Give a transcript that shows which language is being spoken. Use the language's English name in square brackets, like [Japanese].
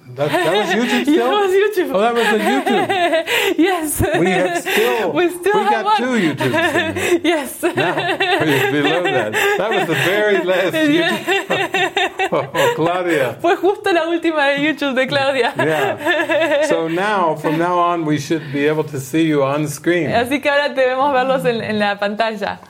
[English] That was YouTube. Still? It was YouTube. Oh, that was a YouTube. Yes. We have still got one. Two YouTubes. Yes. Now, below that. That was the very last YouTube. Oh, Claudia. [Spanish] Fue justo la última de YouTube de Claudia. [English] Yeah. So now, from now on, we should be able to see you on screen. [Spanish] Así que ahora debemos verlos en la pantalla.